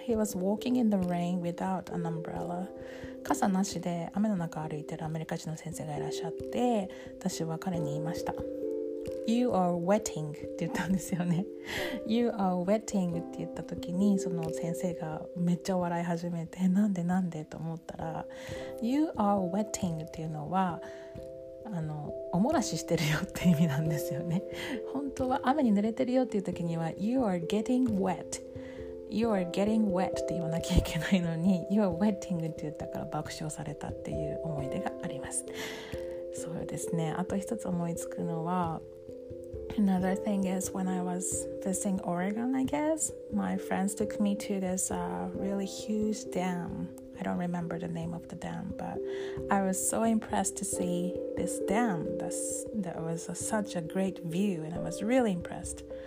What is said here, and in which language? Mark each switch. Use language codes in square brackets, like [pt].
[en] He was walking in the rain without an umbrella. [ja] 傘なしで雨の中歩いてるアメリカ人の先生がいらっしゃって、私は彼に言いました。 [en] You are wetting [ja] って言ったんですよね。You are wetting って言った時に、その先生がめっちゃ笑い始めて、なんでなんでと思ったら、 You are wetting っていうのはおもらししてるよって意味なんですよね。本当は雨に濡れてるよっていう時には [en] You are getting wetYou are getting wet [ja] って言わなきゃいけないのに、 You are wetting って言ったから爆笑されたっていう思い出があります。そうですね。あと一つ思いつくのは、 [en] Another thing is when I was visiting Oregon, I guess my friends took me to this really huge dam. I don't remember the name of the dam, but I was so impressed to see this dam. That was such a great view, and I was really impressed.